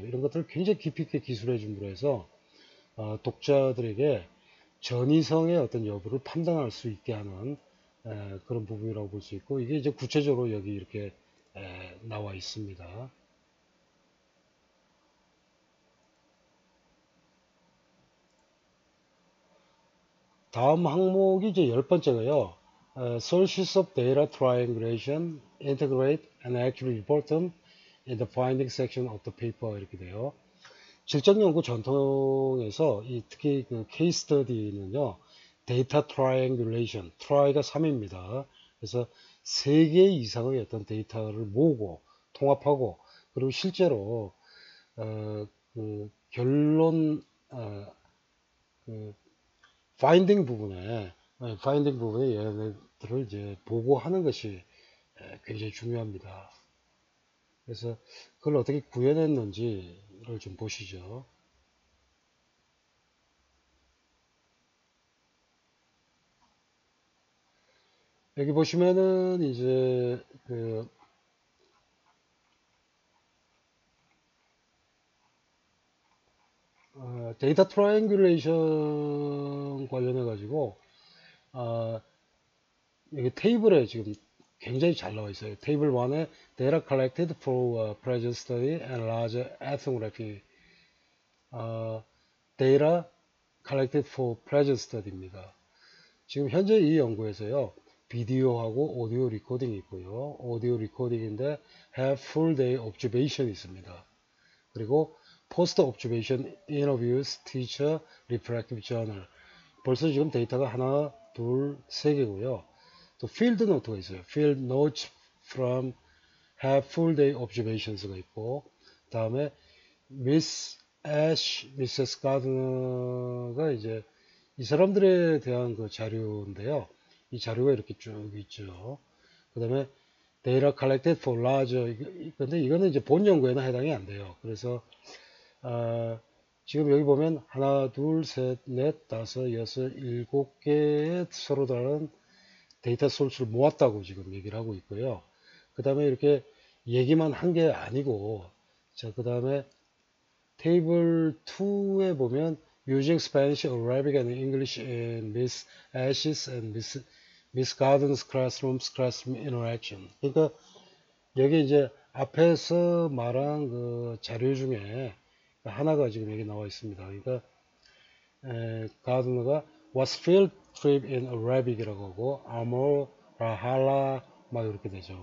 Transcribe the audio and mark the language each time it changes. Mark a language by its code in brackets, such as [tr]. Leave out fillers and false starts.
[ko] 이런 것들을 굉장히 깊이 있게 기술해 준으로 해서 독자들에게 전위성의 어떤 여부를 판단할 수 있게 하는 그런 부분이라고 볼수 있고, 이게 이제 구체적으로 여기 이렇게 나와 있습니다. 다음 항목이 이제 열 번째가요. [en] Sources of data triangulation, integrate and actually report them in the finding section of the paper. [ko] 이렇게 돼요. 질적 연구 전통에서 특히 그 케이스 스터디는요, 데이터 트라이앵귤레이션, 트라이가 3입니다. 그래서 3개 이상의 어떤 데이터를 모으고 통합하고 그리고 실제로 그 결론 그 파인딩 부분에 얘네들을 이제 보고하는 것이 굉장히 중요합니다. 그래서 그걸 어떻게 구현했는지 를좀 보시죠. 여기 보시면은 이제 그 데이터 트라이앵귤레이션 관련해 가지고 여기 테이블에 지금 굉장히 잘 나와 있어요. 테이블 1에 [en] Data collected for present study and larger ethnography. Data collected for present study입니다. [ko] 지금 현재 이 연구에서요. 비디오하고 오디오 리코딩이 있고요. 오디오 리코딩인데 [en] have full day observation [ko] 있습니다. [en] 그리고 post observation interviews, teacher, reflective journal. [ko] 벌써 지금 데이터가 하나, 둘, 세 개고요. 또 필드 노트가 있어요. [en] Field notes from half full day observations가 [ko] 있고, 다음에 [en] Miss Ash, Mrs. [ko] Gardner가 이제 이 사람들에 대한 그 자료인데요. 이 자료가 이렇게 쭉 있죠. 그다음에 [en] data collected for larger. [ko] 근데 이거는 이제 본 연구에는 해당이 안 돼요. 그래서 지금 여기 보면 하나, 둘, 셋, 넷, 다섯, 여섯, 일곱 개의 서로 다른 데이터 소스를 모았다고 지금 얘기를 하고 있고요. 그 다음에 이렇게 얘기만 한게 아니고, 자, 그 다음에 테이블 2에 보면 [en] Using Spanish, Arabic, and English in Miss Ashes and Miss Garden's Classroom Interaction. [ko] 그러니까 여기 이제 앞에서 말한 그 자료 중에 하나가 지금 여기 나와 있습니다. 그러니까 가드너가 [en] was field trip in Arabic [ko] 이라고 하고 Amor, Rahala 막 이렇게 되죠.